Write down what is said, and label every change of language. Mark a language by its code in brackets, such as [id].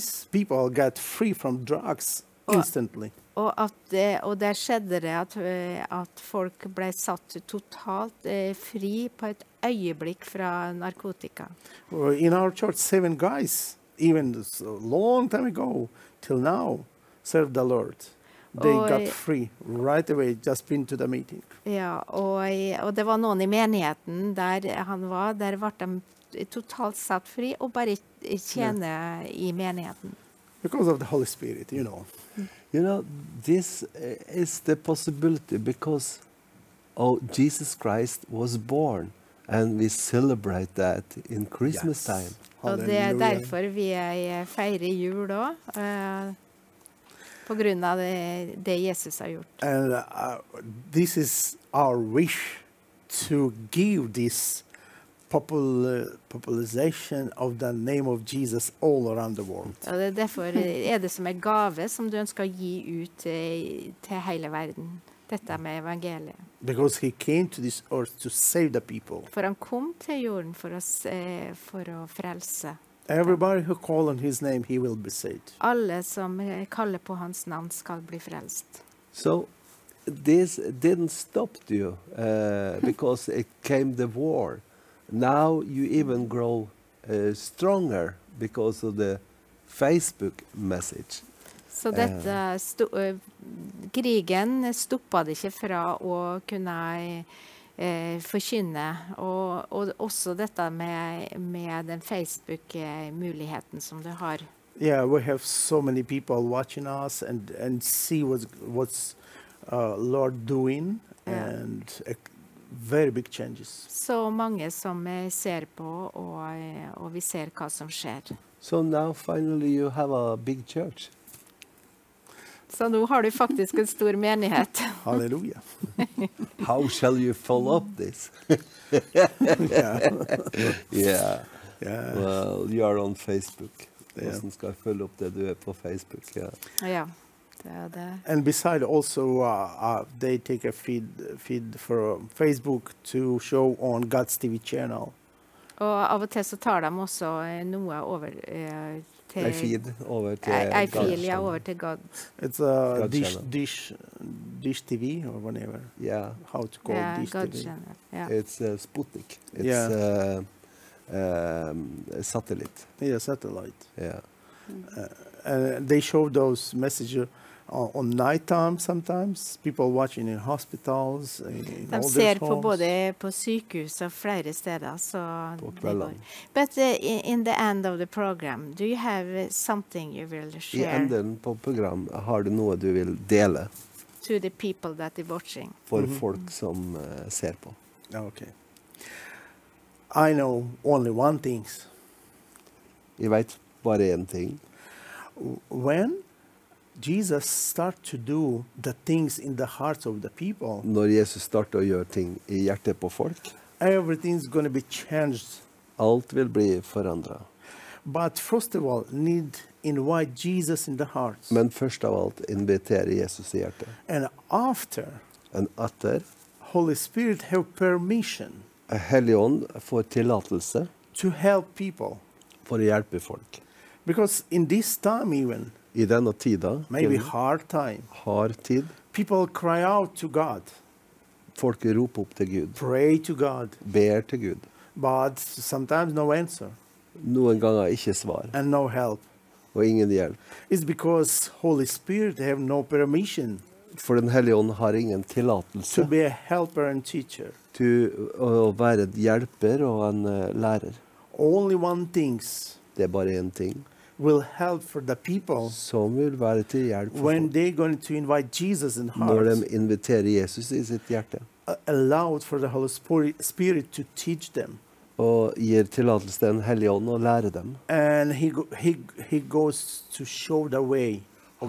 [en] People got free from drugs instantly. [no] Og der skjedde det at folk ble satt totalt fri på et øyeblikk fra narkotika. [en] In our church, 7 guys, even a long time ago, till now, served the Lord. They got free right away, just been to the meeting. [no] Ja, og det var noen i menigheten der han var, der ble de totalt satt fri og bare tjene i menigheten. [en] Because of the Holy Spirit, you know. You know, this is the possibility because Jesus Christ was born and we celebrate that in Christmas time. [no] Og det er derfor vi feirer jul da. På grunn av det Jesus har gjort. [en] And this is our wish to give this popularization of the name of Jesus all around the world. [no] Og det er derfor det som er gave som du ønsker å gi ut til hele verden. Dette med evangeliet. [en] Because he came to this earth to save the people. [no] For han kom til jorden for å frelse. [en] Everybody who call on his name, he will be saved. [no] Alle som kaller på hans navn skal bli frelst. [en] So, this didn't stop you because it came the war. Now you even grow stronger because of the Facebook message. [no] Så dette krigen stoppet ikke fra å kunne forkynne, og også dette med den Facebook-muligheten som du har. Ja, vi har så mange mennesker som ser oss og ser hva Lord gjør, og veldig store forandringer. Så mange som ser på, og vi ser hva som skjer. Så nå, finalt, har du en stor kirke. Så nå har du faktisk en stor menighet. Halleluja. [en] How shall you follow up this? Yeah. Well, you are on Facebook. [no] Hvordan skal jeg følge opp det du er på Facebook? Ja, det er det. [en] And besides also, they take a feed for Facebook to show on God's TV channel. [no] Og av og til så tar de også noe over til... Eifid over til Eifil, ja, over til God. [en] It's a dish TV or whatever. Yeah. How to call yeah, dish God TV. Yeah. It's Sputnik. It's yeah. A satellite. Yeah, satellite. Yeah. And they show those messages on night time sometimes. People watching in hospitals. [no] De ser på både på sykehus og flere steder. [en] Så but in the end of the program, do you have something you will share? [no] I enden på program, har du noe du vil dele? [en] To the people that are watching. [no] For mm-hmm. folk som ser på. [en] Okay. I know only one thing. [no] Jeg vet bare en ting. [en] When Jesus start to do the things in the hearts of the people, [no] når Jesus starter å gjøre ting I hjertet på folk, [en] everything's going to be changed. [no] Alt vil bli forandret. [en] But first of all, need invite Jesus in the hearts. [no] Men først av alt inviterer Jesus I hjertet. [en] And after, Holy Spirit have permission. [no] Helligånd får tillatelse [en] to help people. [no] For å hjelpe folk. [en] Because in this time even, [no] I denne tiden, [en] maybe hard time, [no] hard tid, [en] people cry out to God. [no] Folk roper opp til Gud. [en] Pray to God. [no] Ber til Gud. [en] But sometimes no answer. [no] Noen ganger ikke svar. [en] And no help. [no] Og ingen hjelp. [en] It's because Holy Spirit have no permission. [no] For den hellige ånd har ingen tillatelse. [en] To be a helper and teacher. [no] Å være en hjelper og en lærer. [en] Only one things. [no] Det bare en ting. [en] Will help for the people. [no] Som vil være til hjelp for folk. [en] When they're going to invite Jesus in heart. [no] Når de inviterer Jesus I sitt hjerte. [en] Allowed for the Holy Spirit to teach them. [no] Og gir tillatelse den hellige ånd og lærer dem. [en] And he goes to show the way of